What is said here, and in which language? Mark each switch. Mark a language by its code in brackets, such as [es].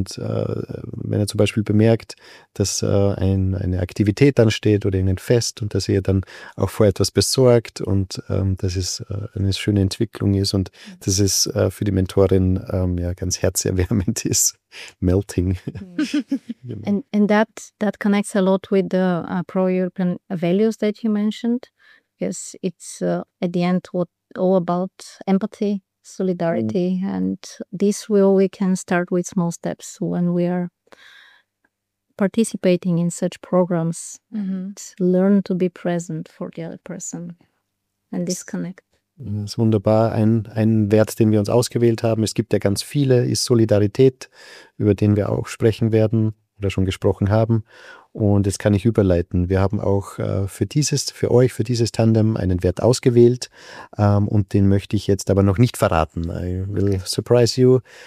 [de] Und wenn er zum Beispiel bemerkt, dass eine Aktivität ansteht oder irgendein Fest und dass er dann auch vor etwas besorgt und dass es eine schöne Entwicklung ist und dass es für die Mentorin ganz herzerwärmend ist. [en] Melting. and that connects a lot with the pro-European values that you mentioned. Because it's at the end what all about empathy, solidarity, and this will we can start with small steps when we are participating in such programs and learn to be present for the other person and disconnect. [de] Das ist wunderbar. Ein Wert, den wir uns ausgewählt haben, es gibt ja ganz viele, ist Solidarität, über den wir auch sprechen werden oder schon gesprochen haben. Und jetzt kann ich überleiten. Wir haben auch für dieses Tandem einen Wert ausgewählt. Und den möchte ich jetzt aber noch nicht verraten. [en] I will surprise you.